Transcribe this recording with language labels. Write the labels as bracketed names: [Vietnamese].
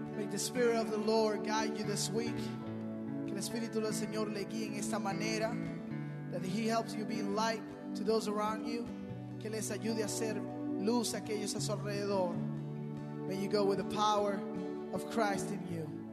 [English] the Spirit of the Lord guide you this week. [Spanish] Que el Espíritu del Señor le guíe en esta manera. [English] That He helps you be light to those around you. [Spanish] Que les ayude a ser luz a aquellos a su alrededor. [English] May you go with the power of Christ in you.